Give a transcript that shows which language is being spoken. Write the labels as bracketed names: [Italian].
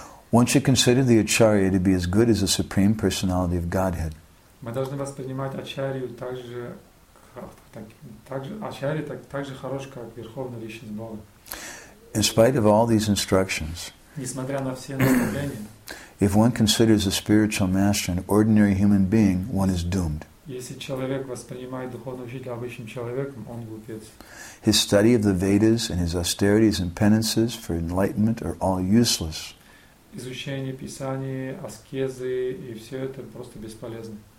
[English] One should consider the Acharya to be as good as the Supreme Personality of Godhead. [Russian] Мы должны воспринимать Ачарию так же хорош, как Верховная Личность Бога. [English] In spite of all these instructions, [Russian] несмотря на все наставления, [English] if one considers a spiritual master an ordinary human being, one is doomed. [Russian] Если человек воспринимает духовного учителя обычным человеком, он глупец. [English] His study of the Vedas and his austerities and penances for enlightenment are all useless. [Russian] Изучение Писания, аскезы и все это просто бесполезно.